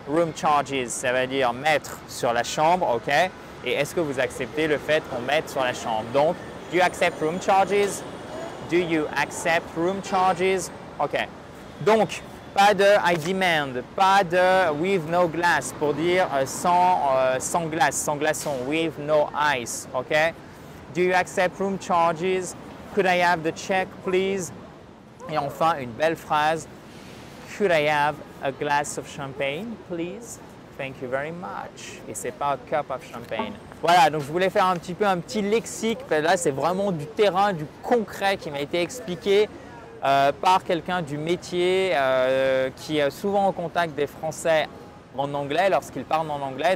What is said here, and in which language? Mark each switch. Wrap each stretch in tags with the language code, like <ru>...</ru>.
<en>Room charges,</en> <fr>ça veut dire mettre sur la chambre, ok? Et est-ce que vous acceptez le fait qu'on mette sur la chambre?</fr> <en>Donc, do you accept room charges? Do you accept room charges? Ok.</en> <fr>Donc, pas de</fr> <en>I demand,</en> <fr>pas de</fr> <en>with no glass</en> <fr>pour dire sans glace, sans glaçon,</fr> <en>with no ice,</en> <fr>ok?</fr> <en>Do you accept room charges? Could I have the check, please?</en> <fr>Et enfin, une belle phrase.</fr> <en>Could I have a glass of champagne, please? Thank you very much.</en> <fr>Et c'est pas</fr> <en>a cup of champagne.</en> <fr>Voilà, donc je voulais faire un petit peu un petit lexique. Parce que là, c'est vraiment du terrain, du concret qui m'a été expliqué par quelqu'un du métier qui est souvent en contact des Français en anglais lorsqu'ils parlent en anglais.</fr>